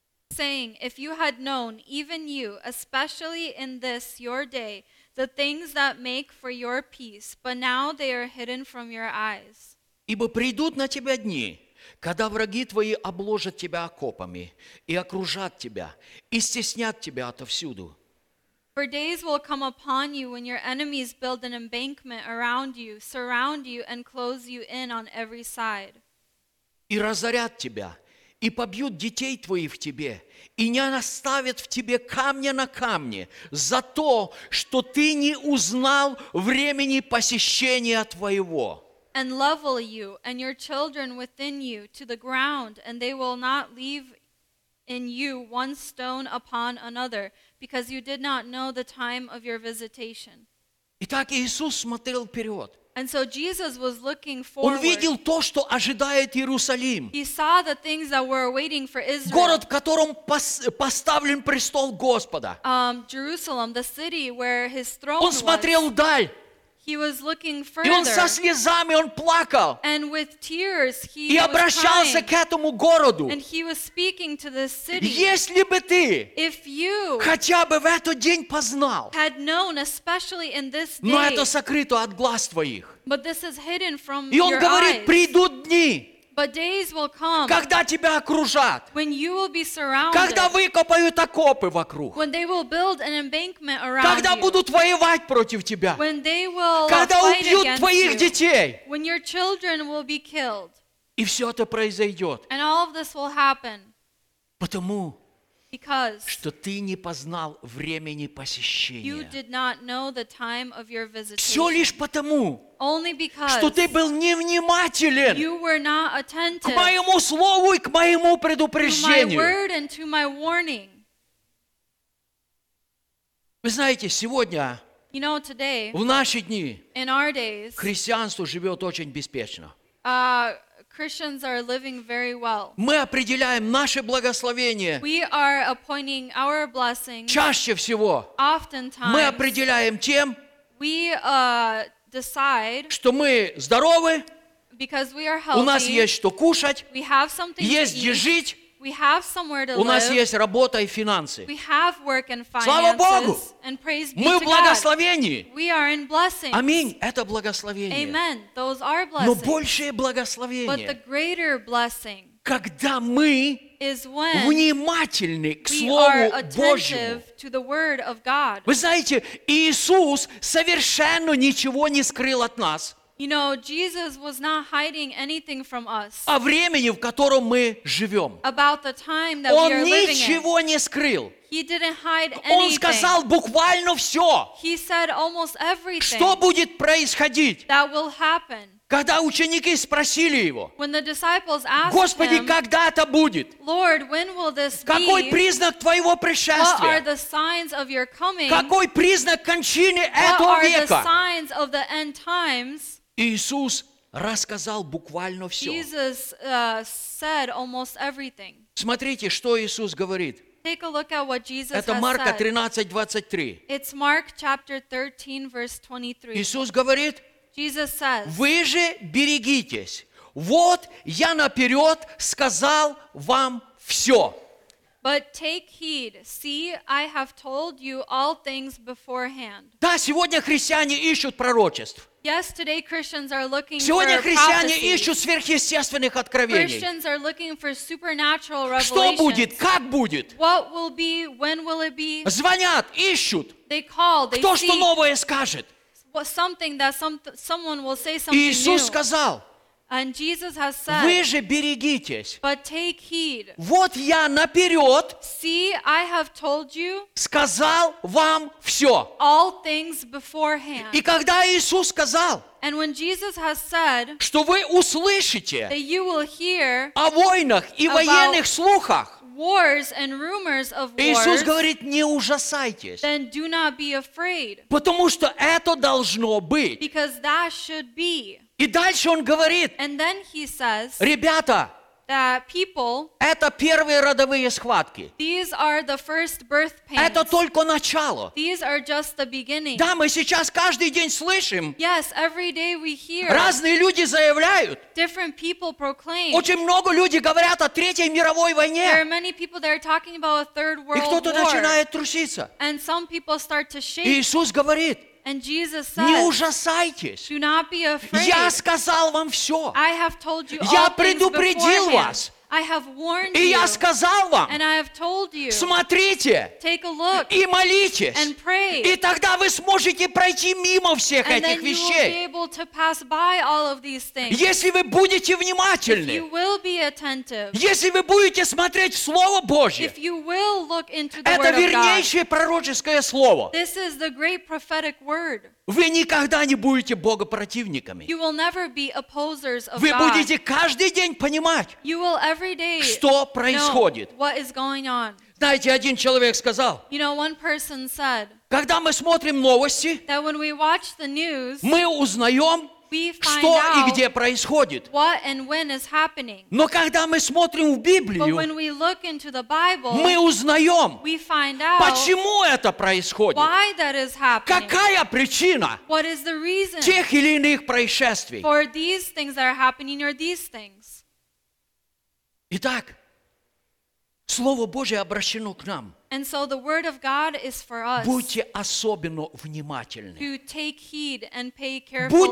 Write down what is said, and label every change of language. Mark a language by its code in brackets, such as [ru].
[en] Saying, if you had known, even you, especially in this your day, the things that make for your peace, but now they are hidden from your eyes. [ru] Ибо придут на тебя дни, когда враги твои обложат тебя окопами и окружат тебя, и стеснят тебя отовсюду. [en] For days will come upon you when your enemies build an embankment around you, surround you and close you in on every side. [ru] И разорят тебя, и побьют детей твоих в тебе, и не оставят в тебе камня на камне за то, что ты не узнал времени посещения твоего. [en] And level you and your children within you to the ground, and they will not leave in you one stone upon another, because you did not know the time of your visitation. [ru] Итак, Иисус смотрел вперед. [en] And so Jesus was looking forward. [ru] Он видел то, что ожидает Иерусалим. [en] He saw the things that were waiting for Israel. [ru] Город, в котором поставлен престол Господа. [en] Jerusalem, the city where his throne [ru] Он [en] was. [ru] Он смотрел вдаль. [en] He was looking further. [ru] И он со слезами, он плакал. [en] And with tears, he [ru] И обращался [en] was crying. [ru] К этому городу. [en] And he was speaking to this city. [ru] Если бы ты [en] If you [ru] хотя бы в этот день познал, [en] had known, especially in this day, [ru] но это сокрыто от глаз твоих. [en] But this is hidden from [ru] И он [en] your [ru] говорит, [en] eyes. [ru] Придут дни, [en] But days will come, [ru] когда тебя окружат, [en] when you will be surrounded, [ru] когда выкопают окопы вокруг, [en] when they will build an embankment around [ru] когда [en] you, [ru] будут воевать против тебя, [en] when they will [ru] когда [en] fight [ru] убьют твоих [en] you, [ru] детей, [en] when your children will be killed, [ru] и все это произойдет, [en] and all of this will happen, [ru] потому [en] because [ru] что ты не познал времени посещения. [en] You did not know the time of your visitation. [ru] Все лишь потому, [en] Only because [ru] что ты был невнимателен [en] you were not attentive [ru] к моему слову и к моему предупреждению. [en] To my word and to my warning. [ru] Вы знаете, сегодня, [en] you know, today, [ru] в наши дни, [en] in our days, [ru] христианство живет очень беспечно. [en] Christians are living very well. [ru] Мы определяем наше благословение. [en] We are appointing our blessings. [ru] Чаще всего. [en] Oftentimes. [ru] Мы определяем тем. [en] We decide. [ru] Что мы здоровы. [en] Because we are healthy. [ru] У нас есть что кушать. [en] We have something to eat. [ru] Есть где жить. [en] We have somewhere to live. [ru] У нас есть работа и финансы. [en] We have work and finances. [ru] Слава Богу! [en] And praise be to God. [ru] Мы в благословении. [en] We are in blessings. [ru] Аминь. Это благословение. [en] Amen. Those are blessings. [ru] Но большее благословение. [en] But the greater blessing. [ru] когда мы внимательны к Слову Божьему. Вы знаете, Иисус совершенно ничего не скрыл от нас. [en] You know, Jesus was not hiding anything from us. [ru] О времени, в котором мы живем. [en] About the time that [ru] Он [en] we are living in. [ru] Он ничего не скрыл. [en] He didn't hide anything. [ru] Он сказал буквально все. [en] He said almost everything. [ru] Что будет происходить? [en] That will happen. [ru] Когда ученики спросили его, [en] when the disciples asked [ru] Господи, [en] him, [ru] когда это будет? [en] Lord, when will this be? [ru] Какой признак твоего пришествия? [en] What are the signs of your coming? [ru] Какой признак кончины этого века? [en] What are the signs of the end times? [ru] Иисус рассказал буквально все. [en] Jesus, said almost everything. [ru] Смотрите, что Иисус говорит. [en] Take a look at what Jesus [ru] Это Марка 13:23. [en] It's Mark chapter 13, verse 23. [ru] Иисус говорит, [en] Jesus says, [ru] вы же берегитесь. Вот я наперед сказал вам все. [en] But take heed. See, I have told you all things beforehand. [ru] Да, сегодня христиане ищут пророчеств. [en] Yes, today Christians are looking [ru] сегодня [en] for [ru] христиане [en] prophecies. [ru] Ищут сверхъестественных откровений. [en] Christians are looking for supernatural revelations. [ru] Что будет? Как будет? [en] What will be? When will it be? [ru] Звонят, ищут. [en] They call. They [ru] Кто [en] seek. [ru] Что новое скажет? [en] Something that someone will say something [ru] Иисус [en] new. [ru] Сказал, [en] And Jesus has said, [ru] вы же берегитесь. [en] But take heed. [ru] Вот я наперед [en] See, I have told you [ru] сказал вам все. [en] All things beforehand. [ru] И когда Иисус сказал, [en] And when Jesus has said, [ru] что вы услышите [en] that you will hear [ru] о войнах и военных слухах, [en] Wars and rumors of wars. [ru] Иисус говорит, не ужасайтесь. [en] Then do not be afraid. [ru] Потому что это должно быть. [en] Because that should be. [ru] И дальше он говорит. [en] And then he says, [ru] ребята, [en] that people, [ru] это первые родовые схватки. [en] These are the first birth pains. [ru] Это только начало. [en] These are just the beginning. [ru] Да, мы сейчас каждый день слышим. [en] Yes, every day we hear. [ru] Разные люди заявляют. [en] Different people proclaim. [ru] Очень много людей говорят о Третьей мировой войне. [en] There are many people that are talking about a third world [ru] И кто-то [en] war. [ru] Начинает труситься. [en] And some people start to shake. [ru] Иисус говорит, [en] And Jesus said, [ru] не ужасайтесь. [en] Do not be afraid. [ru] Я сказал вам все. [en] I have told you [ru] я предупредил вас. [en] I have warned [ru] и [en] you, [ru] я сказал вам. [en] And I have told you, [ru] смотрите. [en] Take a look, [ru] и молитесь. [en] And pray, [ru] и тогда вы сможете пройти мимо всех [en] and [ru] этих [en] then you [ru] вещей. [en] Will be able to pass by all of these things, [ru] если вы будете внимательны. [en] If you will be attentive, [ru] если вы будете смотреть в Слово Божье. [en] If you will look into the [ru] это [en] word [ru] вернейшее [en] of God, [ru] пророческое Слово. [en] This is the great prophetic word. [ru] Вы никогда не будете Бога противниками. [en] You will never be opposers of [ru] Вы [en] God. [ru] Будете каждый день понимать, [en] you will every day [ru] что происходит. [en] Know what is going on. [ru] Знаете, один человек сказал, [en] you know, one person said, [ru] когда мы смотрим новости, [en] that when we watch the news, [ru] мы узнаем, [en] we find [ru] что [en] out [ru] и где происходит. [en] What and when is happening. [ru] Но когда мы смотрим в Библию, [en] But when we look into the Bible, [ru] мы узнаем, [en] we find out [ru] почему это происходит, [en] why that is happening. [ru] Какая причина [en] what is the reason [ru] тех или иных происшествий. [en] For these things that are happening or these things. [ru] Итак, Слово Божие обращено к нам. [en] And so the word of God is for us. [ru] Будьте особенно внимательны. [en] To take heed and pay careful attention.